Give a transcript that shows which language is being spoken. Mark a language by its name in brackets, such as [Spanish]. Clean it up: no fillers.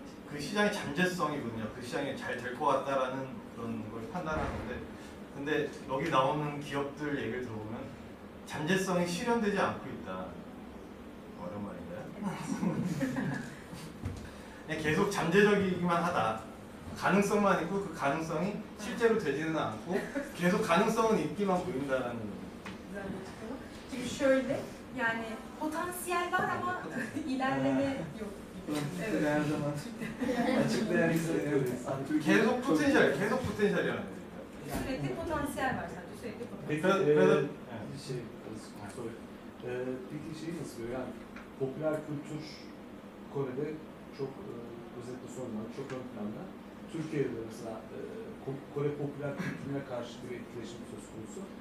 [Korean] 그 시장의 잠재성이군요. 그 시장이 잘 될 것 같다라는 그런 걸 판단하는데 근데 여기 나오는 기업들 얘기를 들어보면 잠재성이 실현되지 않고 있다. 어려운 말인가요? 계속 잠재적이기만 하다. 가능성만 있고 그 가능성이 실제로 되지는 않고 계속 가능성은 있기만 보인다라는 지금 [Turkish] şöyle yani potansiyel var ama ilerleme yok. [Korean] 네. 잠깐만. 아직 계속 포텐셜, 계속 포텐셜이라는 거죠. 실제 [Turkish] potansiyel var sadece. [Korean] 그래서 [Turkish] bir şey konuşuyor. Bir şey nasıl böyle yani popüler kültür Kore'de çok özellikle sorunlar, çok ön planda. Türkiye'de mesela Kore popüler kültürüne karşı bir etkileşim söz konusu.